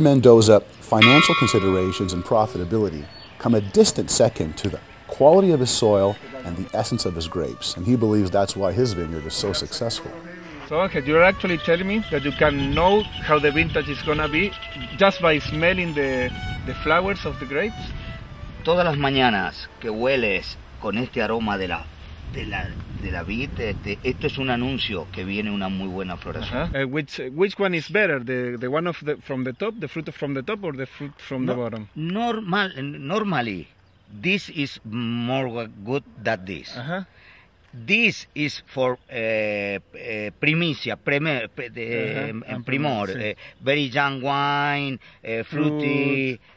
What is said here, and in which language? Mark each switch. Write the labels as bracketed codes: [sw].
[en] Mendoza, financial considerations and profitability come a distant second to the quality of his soil and the essence of his grapes. And he believes that's why his vineyard is so successful. So Angel, you're actually telling me that you can know how the vintage is gonna be just by smelling the flowers of the grapes? [es] Todas las mañanas que hueles con este aroma de la vid, esto es un anuncio que viene una muy buena floración. Uh-huh. [en] Which one is better, the one of the from the top, the fruit from the top, or the fruit from the bottom? Normally, this is more good than this. Uh-huh. This is for primicia, primor, very young wine, fruity.